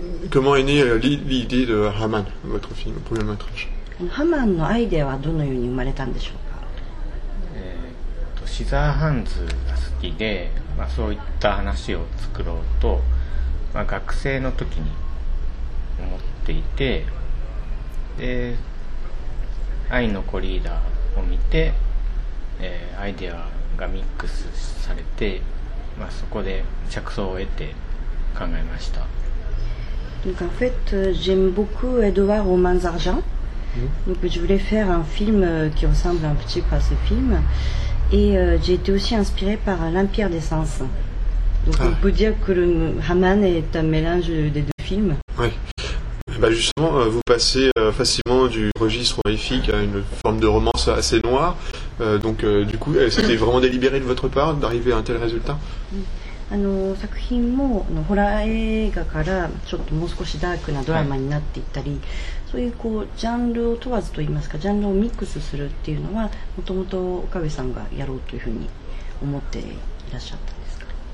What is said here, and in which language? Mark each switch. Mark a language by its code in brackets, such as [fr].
[fr] Comment est née l'idée de Haman, votre film, premier métrage ? [ja] Haman の [fr] idée [ja] はどのように生まれたんでしょうか ? シザーハンズが好きで、まあ、そういった話を作ろうと、まあ、学生の時に思っていて、で愛の子リーダーを見て、アイデアがミックスされて、まあ、そこで着想を得て考えました。 [fr] Donc en fait, j'aime beaucoup Edouard Romain's Argent. Donc je voulais faire un film qui ressemble un petit peu à ce film. Et j'ai été aussi inspirée par l'Empire des Sens. Donc on peut dire que le Haman est un mélange des deux films. Oui. Et bah justement, vous passez facilement du registre horrifique à une forme de romance assez noire. Donc du coup, c'était vraiment délibéré de votre part d'arriver à un tel résultat ? [ja] 作品もホラー映画からちょっともう少しダークなドラマになっていったり、はい、そういうこうジャンルを問わずといいますか、ジャンルをミックスするっていうのはもともと岡部さんがやろうというふうに思っていらっしゃったんですか。